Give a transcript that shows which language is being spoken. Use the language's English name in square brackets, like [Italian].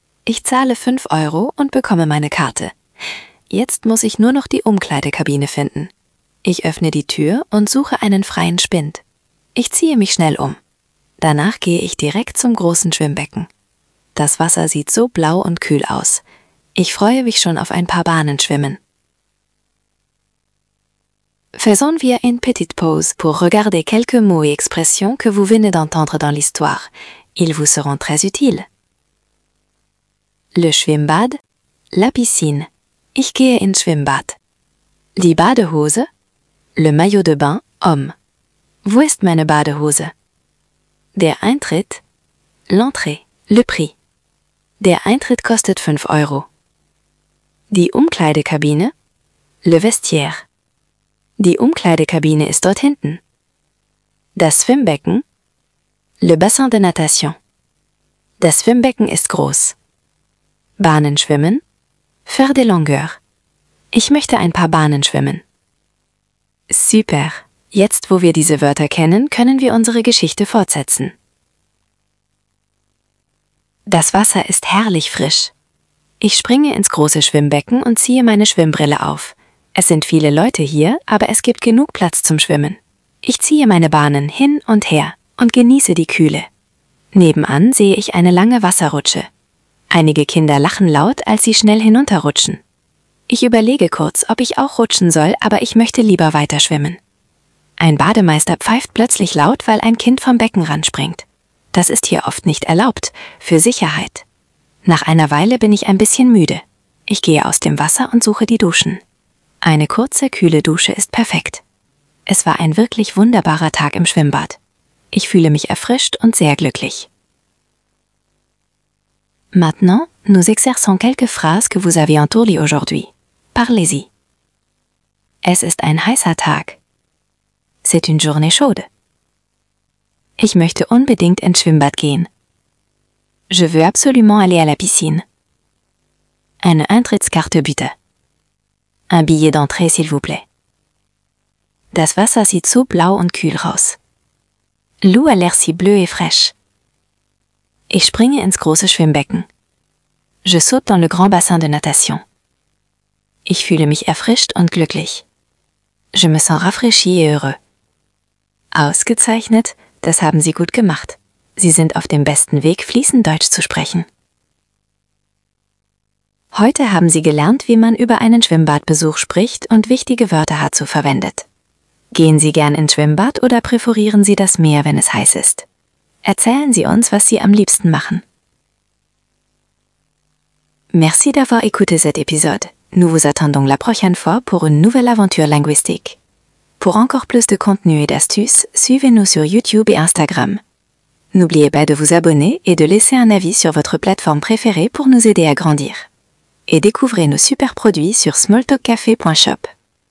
[German] Ich zahle 5 Euro und bekomme meine Karte. Jetzt muss ich nur noch die Umkleidekabine finden. Ich öffne die Tür und suche einen freien Spind. Ich ziehe mich schnell um. Danach gehe ich direkt zum großen Schwimmbecken. Das Wasser sieht so blau und kühl aus. Ich freue mich schon auf ein paar Bahnen schwimmen. [French] Faisons wir une petite pause pour regarder quelques mots et expressions que vous venez d'entendre dans l'histoire. Ils vous seront très utiles. Le Schwimmbad, la piscine. [German] Ich gehe ins Schwimmbad. Die Badehose, [French] le maillot de bain, homme. [German] Wo ist meine Badehose? [French] Der Eintritt, l'entrée, le prix. [German] Der Eintritt kostet 5 Euro. Die Umkleidekabine, le vestiaire. Die Umkleidekabine ist dort hinten. Das Schwimmbecken, [French] le bassin de natation. [German] Das Schwimmbecken ist groß. Bahnen schwimmen, [French] faire des longueurs. [German] Ich möchte ein paar Bahnen schwimmen. Super, jetzt wo wir diese Wörter kennen, können wir unsere Geschichte fortsetzen. Das Wasser ist herrlich frisch. Ich springe ins große Schwimmbecken und ziehe meine Schwimmbrille auf. Es sind viele Leute hier, aber es gibt genug Platz zum Schwimmen. Ich ziehe meine Bahnen hin und her und genieße die Kühle. Nebenan sehe ich eine lange Wasserrutsche. Einige Kinder lachen laut, als sie schnell hinunterrutschen. Ich überlege kurz, ob ich auch rutschen soll, aber ich möchte lieber weiterschwimmen. Ein Bademeister pfeift plötzlich laut, weil ein Kind vom Beckenrand springt. Das ist hier oft nicht erlaubt, für Sicherheit. Nach einer Weile bin ich ein bisschen müde. Ich gehe aus dem Wasser und suche die Duschen. Eine kurze, kühle Dusche ist perfekt. Es war ein wirklich wunderbarer Tag im Schwimmbad. Ich fühle mich erfrischt und sehr glücklich. [French] Maintenant, nous exerçons quelques phrases que vous avez entendues aujourd'hui. Parlez-y. [German] Es ist ein heißer Tag. [French] C'est une journée chaude. [German] Ich möchte unbedingt ins Schwimmbad gehen. [French] Je veux absolument aller à la piscine. [German] Eine Eintrittskarte bitte. [French] Un billet d'entrée, s'il vous plaît. [German] Das Wasser sieht so blau und kühl raus. [French] L'eau a l'air si bleue et fraîche. [German] Ich springe ins große Schwimmbecken. [French] Je saute dans le grand bassin de natation. [German] Ich fühle mich erfrischt und glücklich. [French] Je me sens rafraîchi et heureux. [German] Ausgezeichnet, das haben Sie gut gemacht. Sie sind auf dem besten Weg, fließend Deutsch zu sprechen. Heute haben Sie gelernt, wie man über einen Schwimmbadbesuch spricht und wichtige Wörter dazu verwendet. Gehen Sie gern ins Schwimmbad oder präferieren Sie das Meer, wenn es heiß ist? Erzählen Sie uns, was Sie am liebsten machen. [French] Merci d'avoir écouté cet épisode. Nous vous attendons la prochaine fois pour une nouvelle aventure linguistique. Pour encore plus de contenu et d'astuces, suivez-nous sur YouTube et Instagram. N'oubliez pas de vous abonner et de laisser un avis sur votre plateforme préférée pour nous aider à grandir. Et découvrez nos super produits sur smalltalkcafé.shop.